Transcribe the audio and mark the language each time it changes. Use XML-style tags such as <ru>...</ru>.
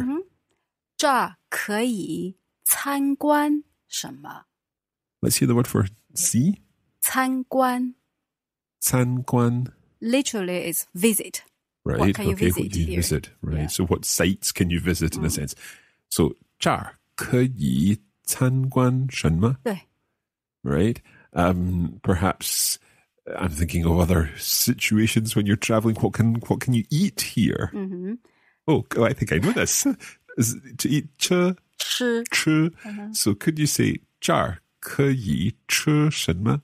<zh>Mm-hmm. 这可以参观什么?</zh> <en>Let's hear the word for see.</en> <zh>参观. 参观.</zh> <en>Literally it's visit. Right, what can okay, you visit what you here? Visit, right. Yeah. So what sites can you visit in a sense?</en> <zh>So 这儿可以参观什么? 对。</zh> <en>Right? Perhaps I'm thinking of other situations when you're traveling. What can you eat here? Mm-hmm. Oh, I think I know this. To eat 吃。Uh-huh. So could you say</en> <zh>这儿可以吃什么?</zh>